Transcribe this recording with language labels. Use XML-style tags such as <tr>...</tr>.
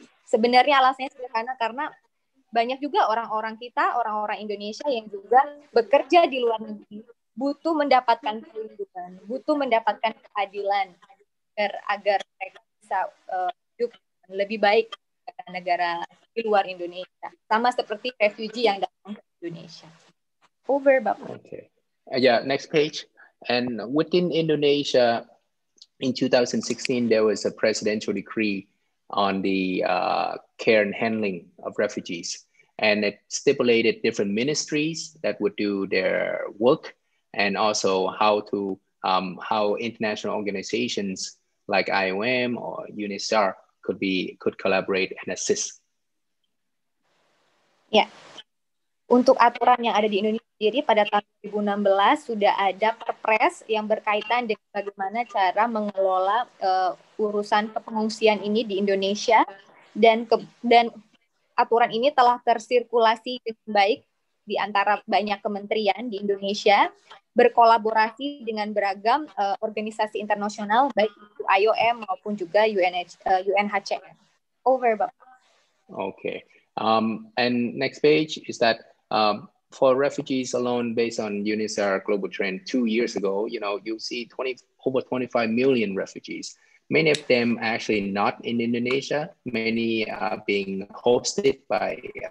<id>Sebenarnya alasannya sederhana, karena banyak juga orang-orang kita, orang-orang Indonesia yang juga bekerja di luar negeri, butuh mendapatkan perlindungan, butuh mendapatkan keadilan agar mereka bisa hidup lebih baik negara di luar Indonesia, sama seperti refugee yang datang ke Indonesia.</id> <en>Over, Bapak. Okay. Yeah, next page. And within Indonesia, in 2016, there was a presidential decree on the care and handling of refugees, and it stipulated different ministries that would do their work, and also how international organizations like IOM or UNHCR could collaborate and assist. Yeah.</en> <id>Untuk aturan yang ada di Indonesia sendiri pada tahun 2016 sudah ada perpres yang berkaitan dengan bagaimana cara mengelola urusan kepengungsian ini di Indonesia, dan aturan ini telah tersirkulasi dengan baik di antara banyak kementerian di Indonesia, berkolaborasi dengan beragam organisasi internasional baik itu IOM maupun juga UNHCR.</id> <en>Over, Bapak. Okay. And next page is that for refugees alone, based on UNHCR global trend 2 years ago, you know, you see over 25 million refugees, many of them actually not in Indonesia, many are being hosted by</en>